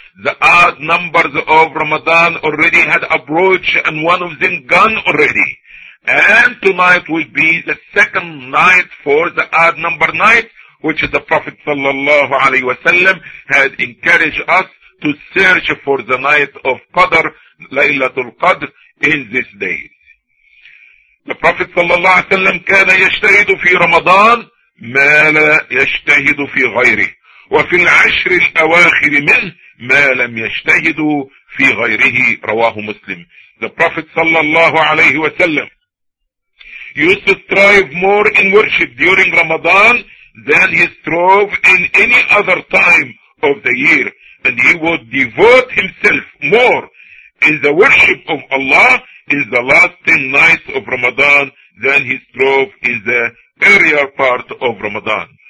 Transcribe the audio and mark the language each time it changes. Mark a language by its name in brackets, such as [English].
[English] The odd numbers of Ramadan already had approached and one of them gone already. And tonight will be the second night for the odd number night, which the Prophet sallallahu alayhi wa sallam had encouraged us to search for the night of Qadr, Laylatul Qadr, in these days. The Prophet [Arabic] sallallahu alayhi wa sallam كان يشتهد في رمضان ما لا يشتهد في غيره وفي العشر الأواخر منه ما لم يشتهد في غيره, رواه مسلم. [English] The Prophet sallallahu alayhi wa sallam used to strive more in worship during Ramadan than he strove in any other time of the year. And he would devote himself more in the worship of Allah in the last 10 nights of Ramadan than he strove in the earlier part of Ramadan.